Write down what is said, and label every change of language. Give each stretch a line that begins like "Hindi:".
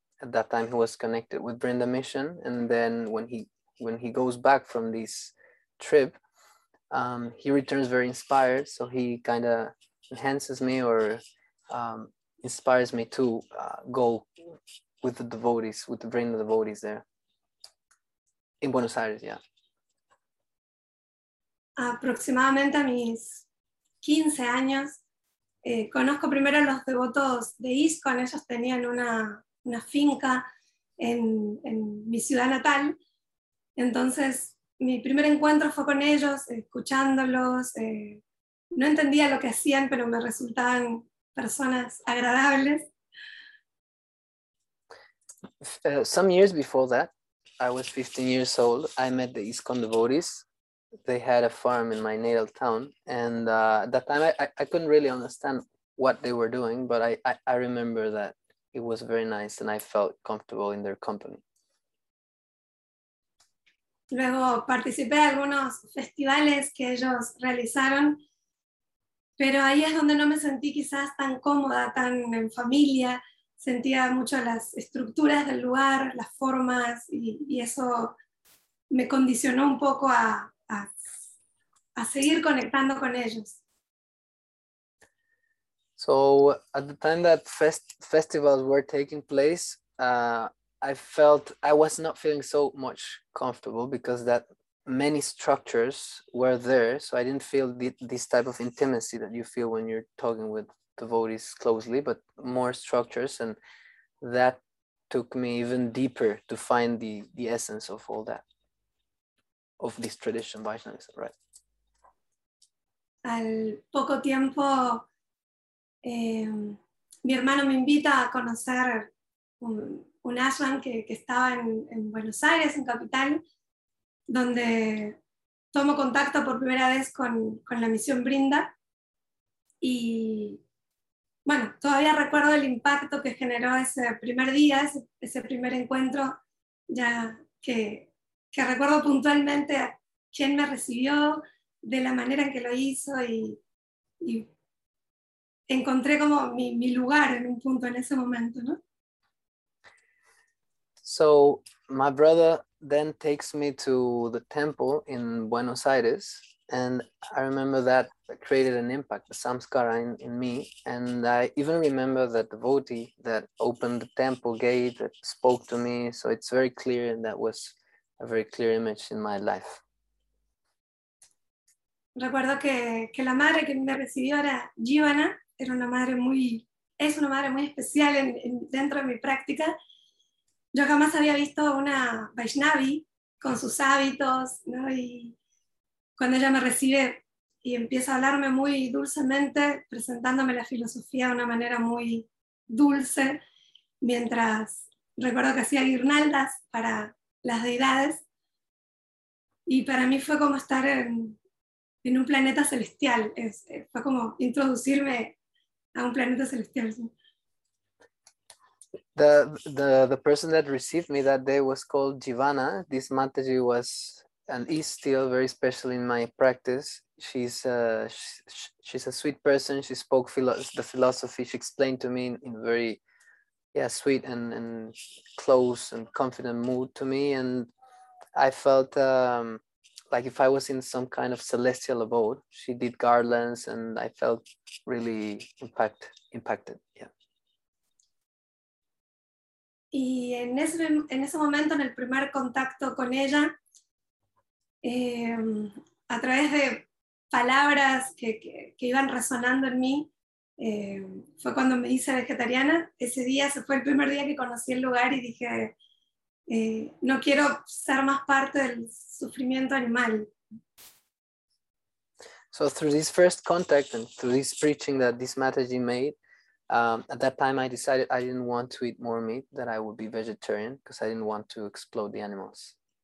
English: At that time, he was connected with Brenda Mission. And then when he goes back from this trip, he returns very inspired. So he kind of enhances me or inspires me to go with the devotees, with the Brenda devotees there in Buenos Aires, yeah.
Spanish: Aproximadamente a mis 15 años, conozco primero a los devotos de ISKCON. Ellos tenían una finca en mi ciudad natal. Entonces, mi primer encuentro fue con ellos, escuchándolos. No entendía lo que hacían, pero me resultaban personas agradables.
English: Some years before that, I was 15 years old, I met the ISKCON devotees. They had a farm in my natal town, and at that time I couldn't really understand what they were doing, but I remember that it was very nice and I felt comfortable in their company.
Spanish: Luego participé de algunos festivales que ellos realizaron, pero ahí es donde no me sentí quizás tan cómoda, tan en familia. Sentía mucho las estructuras del lugar, las formas, y eso me condicionó un poco a seguir conectando con ellos.
English: So at the time that festivals were taking place, I was not feeling so much comfortable because that many structures were there. So I didn't feel this type of intimacy that you feel when you're talking with devotees closely, but more structures. And that took me even deeper to find the essence of all that, of this tradition, Vaishnavism, right?
Spanish: Al poco tiempo, mi hermano me invita a conocer un ashram que estaba en Buenos Aires, en Capital, donde tomo contacto por primera vez con la misión Brinda. Y bueno, todavía recuerdo el impacto que generó ese primer día, ese primer encuentro, ya que recuerdo puntualmente a quién me recibió, de la manera en que lo hizo, y encontré como mi lugar en un punto en ese momento, ¿no?
English: So my brother then takes me to the temple in Buenos Aires, and I remember that created an impact, the samskara in me, and I even remember that devotee that opened the temple gate that spoke to me, so it's very clear, and that was a very clear image in my life.
Spanish: Recuerdo que la madre que me recibió era Jivana, era una madre muy, es una madre muy especial dentro de mi práctica. Yo jamás había visto una Vaishnavi con sus hábitos, ¿no? Y cuando ella me recibe y empieza a hablarme muy dulcemente, presentándome la filosofía de una manera muy dulce, mientras recuerdo que hacía guirnaldas para las deidades, y para mí fue como estar en un planeta celestial, fue como introducirme a un planeta celestial.
English: The person that received me that day was called Jivana. This Mataji was and is still very special in my practice. She's a sweet person. She spoke the philosophy. She explained to me in very, yeah, sweet and close and confident mood to me. And I felt like if I was in some kind of celestial abode. She did garlands and I felt really impacted, yeah.
Spanish: Y en ese momento, en el primer contacto con ella, a través de palabras que iban resonando en mí, fue cuando me hice vegetariana. Ese día, ese fue el primer día que conocí el lugar y dije, no quiero ser más parte del sufrimiento animal.
English: So through this first contact and through this preaching that this Mataji made, at that time, I decided I didn't want to eat more meat, that I would be vegetarian, because I didn't want to explode the animals.